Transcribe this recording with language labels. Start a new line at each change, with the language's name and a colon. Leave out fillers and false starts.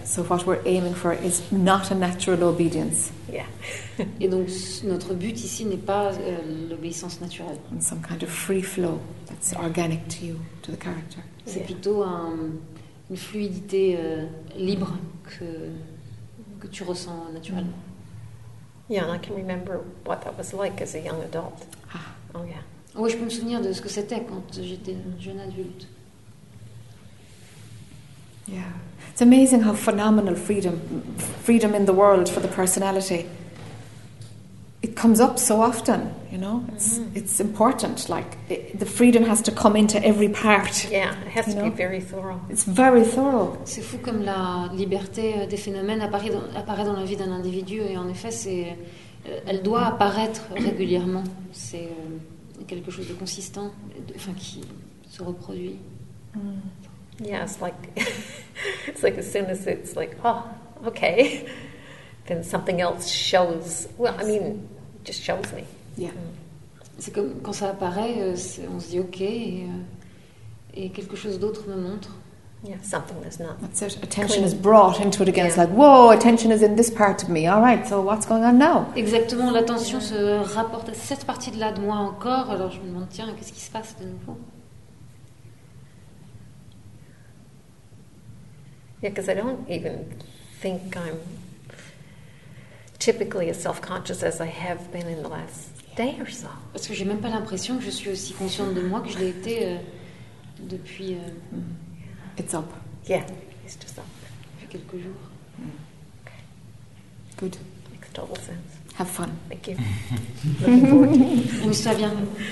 English: So what we're aiming for is not a natural obedience. Yeah.
French: Et donc notre but ici n'est pas l'obéissance naturelle.
English: And some kind of free flow that's organic to you, to the character.
French: C'est plutôt une fluidité libre que tu ressens naturellement.
English: Yeah, and I can remember what that was like as a young adult. Ah. Oh yeah.
French: Oui, je peux me souvenir de ce que c'était quand j'étais jeune adulte.
English: Yeah. It's amazing how phenomenal freedom in the world for the personality. It comes up so often, you know. It's important, like the freedom has to come into every part. Yeah, it has to be very thorough. It's very thorough.
French: C'est fou comme la liberté des phénomènes apparaît dans la vie d'un individu, et en effet, elle doit apparaître régulièrement. C'est quelque chose de consistant, enfin qui se reproduit. Mm.
English: Yeah, it's like as soon as it's like, oh, okay, then something else shows. Well, I mean, it just shows me. Yeah. Mm.
French: C'est comme quand ça apparaît, on se dit ok, et quelque chose d'autre me montre.
English: Yeah, something that's not. That's it. Attention is brought into it again. Yeah. It's like, whoa, attention is in this part of me. All right, so what's going on now?
French: Exactement, l'attention se rapporte à cette partie de là de moi encore. Alors je me demande, tiens, qu'est-ce qui se passe de nouveau?
English: Yeah, because I don't even think I'm typically as self-conscious as I have been in the last day or so.
French: Parce que j'ai même pas l'impression que je suis aussi consciente de moi que je l'ai été depuis.
English: It's up. Yeah, it's just up.
French: Depuis quelques jours.
English: Okay. Good. Makes total sense. Have fun. Thank you. Looking
French: forward. Amuse-toi bien.